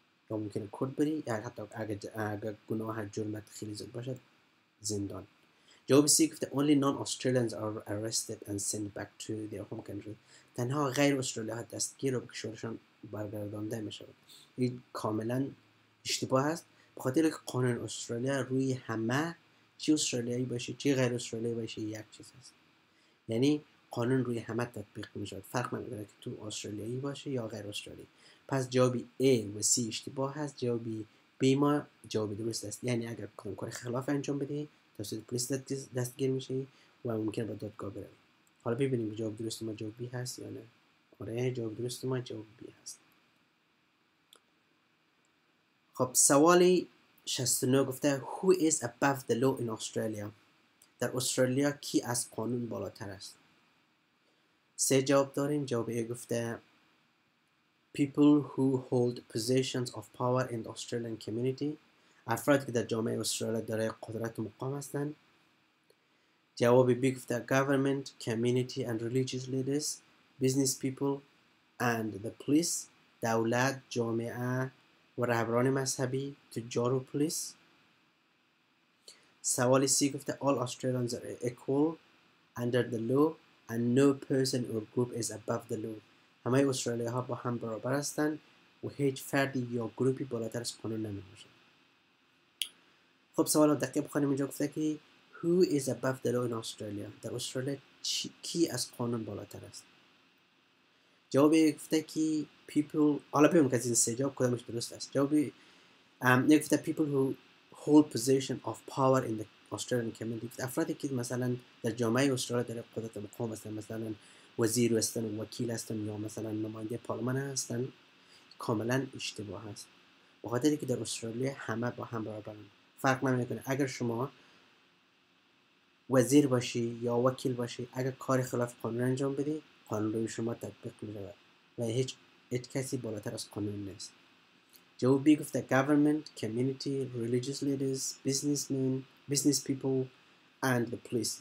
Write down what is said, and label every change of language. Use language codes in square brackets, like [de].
[fa] ممکنه کرد بری یا حتی اگر گناه جرمت خیلی زیاد باشد زندان. جواب سی گفته [en] Only non-Australians are arrested and sent back to their home country. [fa] تنها غیر استرالیا ها دستگیر و به کشورشان برگردانده می شود. این کاملا اشتباه است. بخاطر که قانون استرالیا روی همه چی استرالیایی باشه چی غیر استرالیایی باشه یک چیز است. یعنی قانون روی همه تطبیق می شود. فرق نمی‌کنه که تو استرالیایی باشه یا غیر استرالیایی. پس جواب A و C اشتباه هست. جواب B ما جواب درست است. یعنی اگر کدام کار خلاف انجام بدی توسط پلیس دستگیر میشی و ممکن به دادگاه بروی. حالا ببینیم جواب درست ما جواب B هست یا نه. آره جواب درست ما جواب B هست. خب سوال 69 گفته [en] Who is above the law in Australia? [fa] در استرالیا کی از قانون بالاتر است؟ سه جواب داریم. جواب A گفته [en] People who hold positions of power in the Australian community. [fa] افراد که در جامعه استرالیا دارای قدرت و مقام هستند. جواب B گفته [en] Government, community and religious leaders, business people and the police. [fa] دولت، جامعه و رهبران مذهبی، تجار و پلیس. سوال C گفته [en] All Australians are equal under the law and no person or group is above the law. [fa] همه استرالیا ها با هم برابر هستند و هیچ فردی یا گروپی بالاتر از قانون نمی باشد. خب سوال رو دقیق بخونیم. اینجا گفته که [en] Who is above the law in Australia? [fa] در استرالیا کی از قانون بالاتر است؟ جواب گفته که People حالا بیم که از این سه جواب کدامش درست است. جواب گفته [en] People who hold position of power in the Australian community. [fa] افرادی که مثلا در جامعه استرالیا در قدرت مقام هستند مثلا وزیر هستن و وکیل هستن یا مثلا نماینده پارلمان هستن کاملا اشتباه هست. بخاطر که در استرالیا همه با هم برابرن. فرق نمی کنه اگر شما وزیر باشی یا وکیل باشی اگر کار خلاف قانون انجام بدی قانون روی شما تطبیق می رود و هیچ کسی بالاتر از قانون نیست. جواب بی گفته [en] Government, Community, Religious Leaders, Businessmen, Business People and the Police.